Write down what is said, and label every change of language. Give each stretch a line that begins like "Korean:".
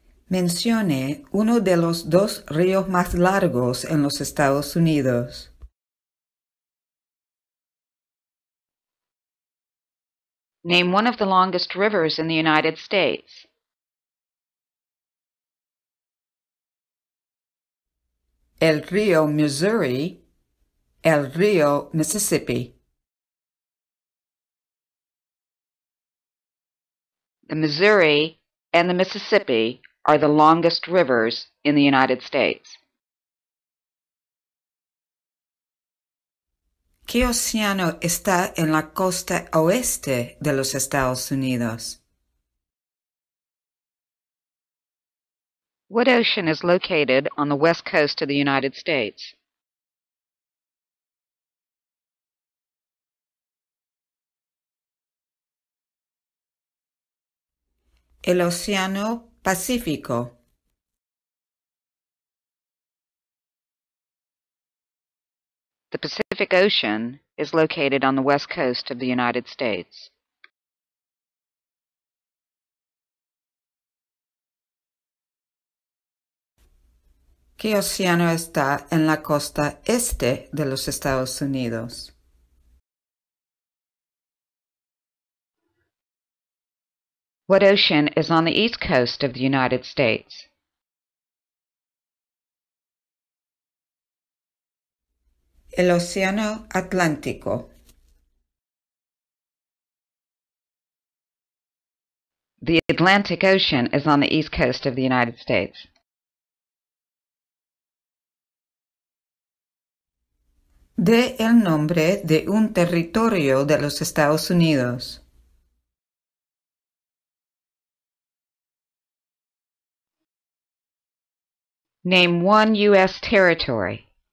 Spanish: Mencione uno de los dos ríos más largos en los Estados Unidos.
English: Name one of the longest rivers in the United States.
Spanish: El río Missouri, el río Mississippi.
English: The Missouri and the Mississippi are the longest rivers in the United States.
Spanish: ¿Qué océano está en la costa oeste de los Estados Unidos?
English: What ocean is located on the west coast of the United States?
Spanish: El Océano Pacífico.
English: The Pacific Ocean is located on the west coast of the United States.
Spanish: ¿Qué océano está en la costa este de los Estados Unidos?
English: What ocean is on the east coast of the United States?
Spanish: El Océano Atlántico.
English: The Atlantic Ocean is on the east coast of the United States.
Spanish: Dé el nombre de un territorio de los Estados Unidos.
English: Name one U.S. territory.